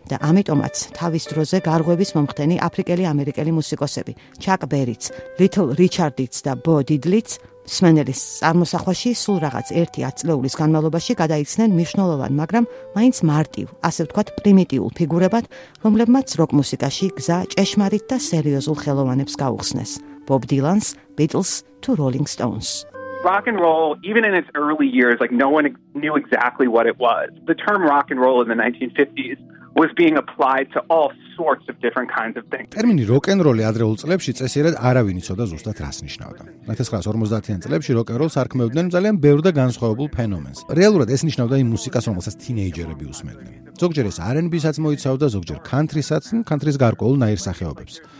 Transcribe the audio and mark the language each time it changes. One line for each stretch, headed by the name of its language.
Georgian: და ამიტომაც თავის დროზე გარღვევის მომხდენი აფრიკელი ამერიკელი მუსიკოსები, ჩაკ ბერიც, ლიტლ რიჩარდიც და ბო დიდლიც, სმენელის წარმოსახვაში სულ რაღაც ერთი ათწლეულის განმავლობაში გადაიცნენ მნიშვნელოვან, მაგრამ მაინც მარტივ, ასე ვთქვათ, პრიმიტიულ ფიგურებად, რომლებმაც როკ მუსიკაში გზა ჭეშმარიტ და სერიოზულ ხელოვანებს გაუხსნეს. ბობ დილანს, ბიტლს თუ როლინგ სტოუნს.
English: Rock and roll, even in its early years, like no one knew exactly what it was. The term rock and roll in the 1950s was being applied to all sorts of different kinds of things.
Georgian: Termini rock and roll-ი ადრეულ წლებში წესიერად არავინ იცოდა ზუსტად რას ნიშნავდა. 1950-იან წლებში rock and roll სარქმევდნენ ძალიან ბევრ და განსხვავებულ ფენომენს. რეალურად ეს ნიშნავდა იმ მუსიკას, რომელსაც თინეიჯერები უსმენდნენ. ზოგჯერ ეს R&B-საც მოიცავდა, ზოგჯერ country-საც, country-ის გარკვეულ ნაირსახეობებს.